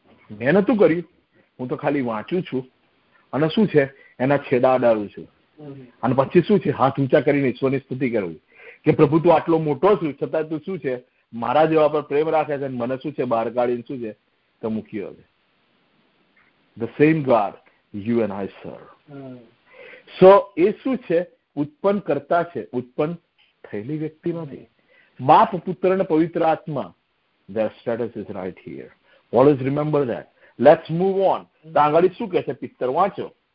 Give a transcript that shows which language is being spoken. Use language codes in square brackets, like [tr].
[gu] મેં નતું કર્યું, હું તો ખાલી વાંચું છું અને શું છે એના છેડા અડાડું છું. અને પછી શું છે? હાથ ઊંચા કરીને ઈશ્વરની સ્તુતિ કરવી કે પ્રભુ તું આટલો મોટો છું, છતાં તું શું છે મારા જેવા પર પ્રેમ રાખે છે અને મને શું છે બહાર કાઢીને શું છે તો મૂકી હવે. [en] The same God you and I serve. [gu] So, એ શું છે? ઉત્પન્ન કરતા છે, ઉત્પન્ન થયેલી વ્યક્તિ નથી. બાપ પુત્ર અને પવિત્ર આત્મા, [en] Their status is right here. Always remember that. Let's move on. [gu] તાંગળી શું કહે છે? પિત્તર વાંચો.